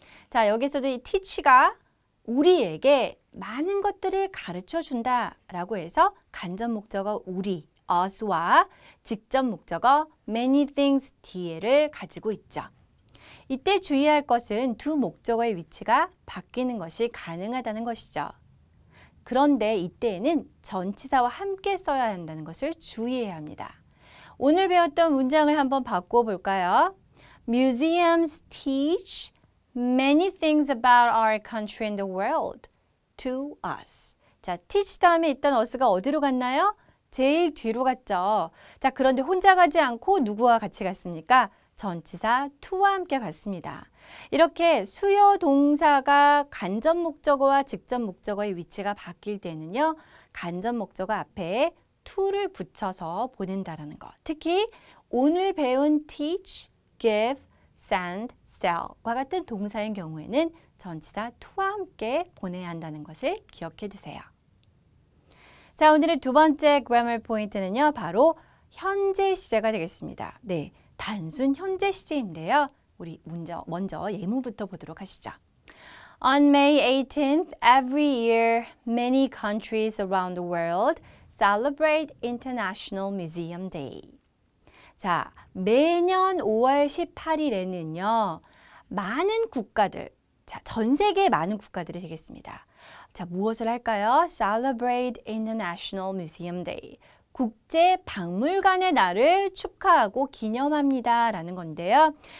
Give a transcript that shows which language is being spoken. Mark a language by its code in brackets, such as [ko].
[ko] 자, 여기서도 이 teach가 우리에게 많은 것들을 가르쳐 준다 라고 해서 간접 목적어 우리, us와 직접 목적어 [en] many things [ko] 뒤에를 가지고 있죠. 이때 주의할 것은 두 목적어의 위치가 바뀌는 것이 가능하다는 것이죠. 그런데 이때에는 전치사와 함께 써야 한다는 것을 주의해야 합니다. 오늘 배웠던 문장을 한번 바꿔 볼까요? [en] Museums teach many things about our country and the world to us. [ko] 자, teach 다음에 있던 us가 어디로 갔나요? 제일 뒤로 갔죠. 자, 그런데 혼자 가지 않고 누구와 같이 갔습니까? 전치사 to와 함께 갔습니다. 이렇게 수여 동사가 간접 목적어와 직접 목적어의 위치가 바뀔 때는요, 간접 목적어 앞에 to를 붙여서 보낸다라는 것. 특히 오늘 배운 teach, give, send, sell과 같은 동사인 경우에는 전치사 to와 함께 보내야 한다는 것을 기억해 주세요. 자, 오늘의 두 번째 grammar 포인트는요, 바로 현재 시제가 되겠습니다. 네, 단순 현재 시제인데요. 우리 먼저 예문부터 보도록 하시죠. [en] On May 18th, every year, many countries around the world celebrate International Museum Day. [ko] 자, 매년 5월 18일에는요, 많은 국가들, 자, 전 세계 많은 국가들이 되겠습니다. 자, 무엇을 할까요? [en] Celebrate International Museum Day. [ko] 국제 박물관의 날을 축하하고 기념합니다. 라는 건데요.